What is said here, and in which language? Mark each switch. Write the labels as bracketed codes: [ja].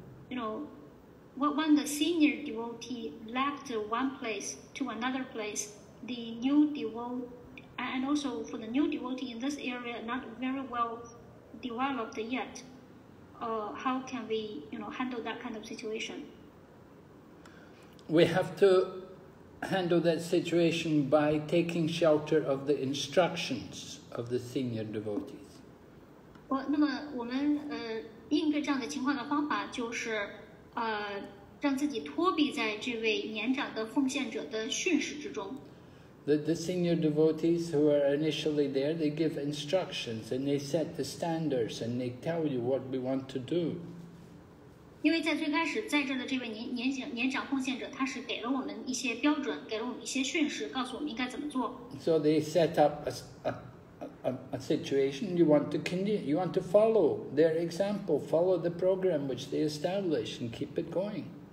[en] And when the senior devotee left one place to another place, the new devotee, and also for the new devotee in this area, not very well developed yet, how can we, handle that kind of situation? We have to handle that situation by taking shelter of the instructions of the senior devotee. [zh] 那么我们应对这样的情况的方法就是，让自己托庇在这位年长的奉献者的训示之中。 [en] the senior devotees who are initially there, they give instructions and they set the standards and they tell you what we want to do. So they set up a situation, you want to continue, you want to follow their example, follow the program which they establish and keep it going.